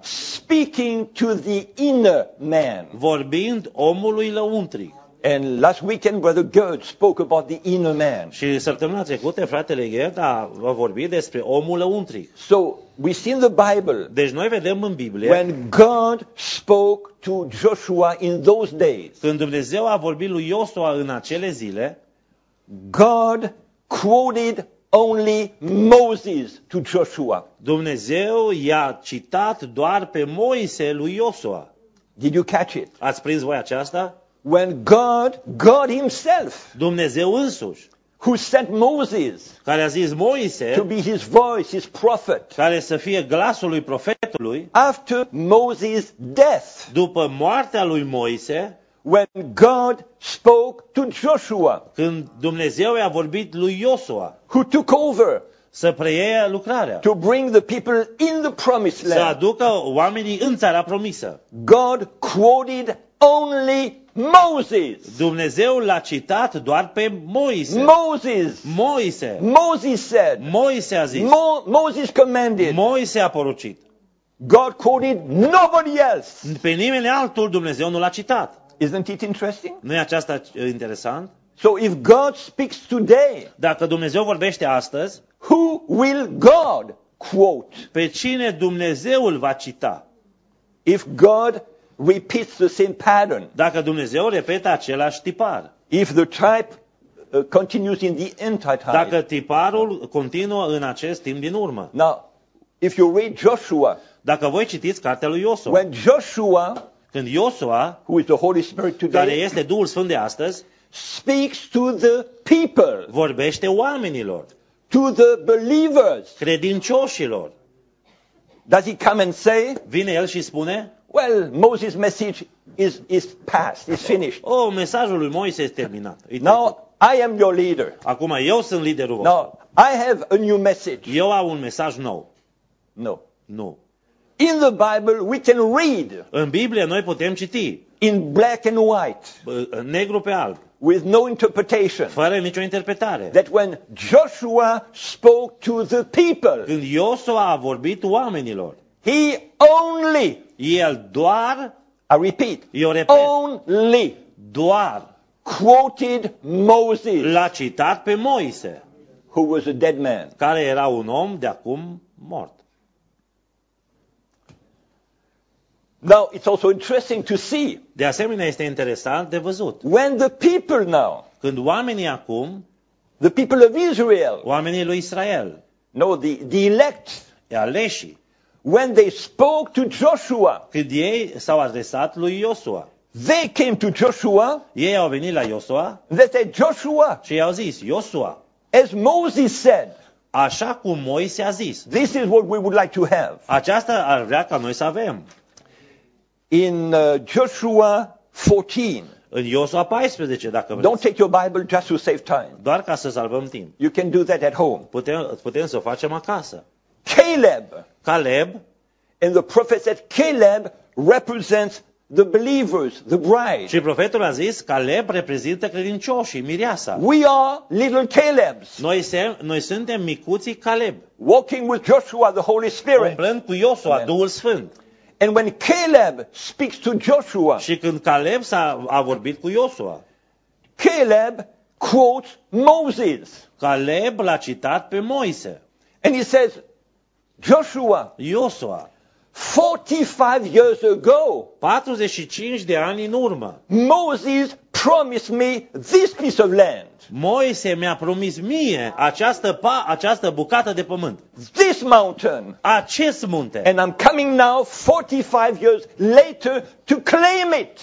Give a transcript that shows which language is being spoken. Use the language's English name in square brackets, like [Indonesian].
[English] Speaking to the inner man. [Romanian] Vorbind omului lăuntric. [English] And last weekend brother Gerd spoke about the inner man. [Romanian] Și săptămâna trecută fratele Gerd a vorbit despre omul lăuntric. [English] So we see in the Bible. [Romanian] Deci noi vedem în Biblie. [English] When God spoke to Joshua in those days. [Romanian] Când Dumnezeu a vorbit lui Iosua în acele zile, [English] God quoted only Moses to Joshua. [Romanian] Dumnezeu i-a citat doar pe Moise lui Iosua. [English] Did you catch it? [Romanian] Ați prins voi aceasta? [English] When God himself, [Romanian] Dumnezeu însuși, [English] who sent Moses, [Romanian] care a zis Moise, [English] to be his voice, his prophet, [Romanian] care să fie glasul lui profetului, [English] after Moses' death, [Romanian] după moartea lui Moise, [English] when God spoke to Joshua, [Romanian] când Dumnezeu i-a vorbit lui Iosua, [English] who took over, [Romanian] să preia lucrarea, [English] to bring the people in the promised land, [Romanian] să aducă oamenii în țara promisă, [English] God quoted only Moses. [Romanian] Dumnezeu l-a citat doar pe Moise. [English] Moses. [Romanian] Moise. [English] Moses said. [Romanian] Moise a zis. [English] Moses commanded. [Romanian] Moise a poruncit. [English] God quoted nobody else. [Romanian] Pe nimeni altul Dumnezeu nu l-a citat. [English] Isn't it interesting? [Romanian] Nu e aceasta interesant? [English] So if God speaks today, [Romanian] dacă Dumnezeu vorbește astăzi, [English] who will God quote? [Romanian] Pe cine Dumnezeu îl va cita? [English] If God repeats the same pattern, [Romanian] dacă Dumnezeu repetă același tipar, [English] if the type continues in the entire time, [Romanian] dacă tiparul continuă în acest timp din urmă. [English] Now, if you read Joshua, [Romanian] dacă voi citiți cartea lui Iosua, [English] when Joshua, [Romanian] când Iosua, [English] who is the Holy Spirit today, [Romanian] care este Duhul Sfânt de astăzi, [English] speaks to the people, [Romanian] vorbește oamenilor, [English] to the believers, [Romanian] credincioșilor, [English] does he come and say, [Romanian] vine el și spune, [English] well, Moses' message is past, is finished. [Romanian] Oh, mesajul lui Moise este terminat. [English] Now I am your leader. [Romanian] Acum eu sunt liderul vostru. [English] Now I have a new message. [Romanian] Eu am un mesaj nou. [English] No. [Romanian] Nu. [English] In the Bible we can read. [Romanian] În Biblie noi putem citi. [English] In black and white. [Romanian] Negru pe alb. [English] with no interpretation. [Romanian] Fără nicio interpretare. [English] That when Joshua spoke to the people, [Romanian] când Iosua a vorbit oamenilor, [English] he only, [Romanian] el doar, [English] I repeat, [Romanian] eu repet, [English] only, [Romanian] doar, [English] quoted Moses, [Romanian] l-a citat pe Moise, [English] who was a dead man, [Romanian] care era un om de acum mort. [English] Now it's also interesting to see. [Romanian] De asemenea este interesant de văzut. [English] When the people now, [Romanian] când oamenii acum, [English] the people of Israel, [Romanian] oamenii lui Israel, [English] no, the elect, [Romanian] aleșii, [English] when they spoke to Joshua, [Romanian] când ei s-au adresat lui Iosua, [English] they came to Joshua, [Romanian] ei au venit la Iosua, [English] they said Joshua, [Romanian] și i-au zis Iosua, [English] as Moses said, [Romanian] așa cum Moise a zis, [English] this is what we would like to have, [Romanian] aceasta ar vrea ca noi să avem. [English] In Joshua 14. [Romanian] În Iosua 14, dacă vreți. [English] Don't take your Bible just to save time. [Romanian] Doar ca să salvăm timp. [English] You can do that at home. [Romanian] Putem să o facem acasă. [English] Caleb. [Romanian] Caleb. [English] And the prophet said Caleb represents the believers, the bride. [Romanian] Și profetul a zis Caleb reprezintă credincioșii, mireasa. [English] We are little Calebs. [Romanian] Noi suntem micuții Caleb. [English] Walking with Joshua the Holy Spirit. [Romanian] Umblând cu Iosua, amen, Duhul Sfânt. [English] And when Caleb speaks to Joshua, [Romanian] și când Caleb a vorbit cu Iosua, [English] Caleb quotes Moses. [Romanian] Caleb l-a citat pe Moise. [English] And he says, Joshua, [Romanian] Iosua, [English] 45 years ago, [Romanian] 45 de ani în urmă, [English] Moses promised me this piece of land. [Romanian] Moise mi-a promis mie această bucată de pământ. [English] This mountain. [Romanian] Acest munte. [English] And I'm coming now 45 years later to claim it.